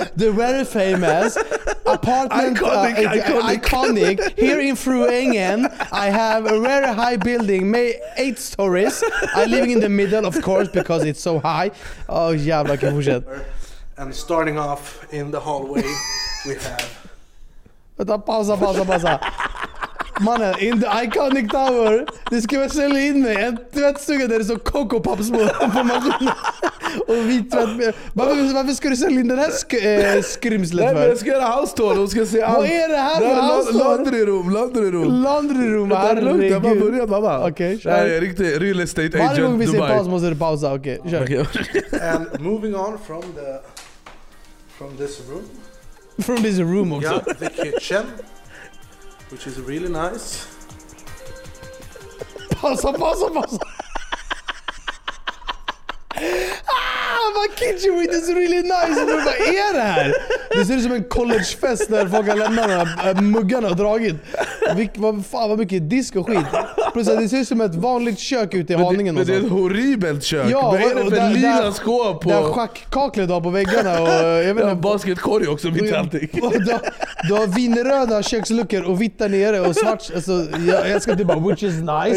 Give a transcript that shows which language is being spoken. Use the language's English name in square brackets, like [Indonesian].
[English] The very famous apartment, iconic. Here in Fruengen I have a very high building, 8 stories. I'm living in the middle, of course, because it's so high. [Swedish] Oh, jävlar, kan fortsätta. [English] And starting off in the hallway we have, [Swedish] vänta, pausa. Mannen, [English] in the iconic tower, [Swedish] du ska väl sälja in mig en tvättstuga där det är så kokopapsmålen på maskinen och vit tvättmedel. Varför ska du sälja in den här skrymslet för? Nej, men jag ska göra house tour, de ska se allt. Vad är det här för house tour? [English] Laundry room. Laundry room, herregud. [Swedish] Det är lugnt, jag bara börjat, mamma. Okej, kör. Det är riktigt [English] real estate agent Dubai. [Swedish] Varje gång vi säger paus måste du pausa, okej, kör. [English] Okay. And moving on from this room. From this room also. Yeah, the kitchen. Which is really nice. Pause. Ah, my kidding me, this is really nice. [Swedish] Och bara, är det här? Det ser ut som en collegefest där folk har lämnat muggarna och dragit. Vad mycket disk och skit. Plus att det ser ut som ett vanligt kök ute i Haningen. Men det är ett horribelt kök. Ja, vad är det för lila skåp på? Där schackkaklet har på väggarna. Och jag har basketkorg också, mitt allting. Du har vinröda köksluckor och vita nere och svart. Alltså, jag älskar det bara, [English] which is nice.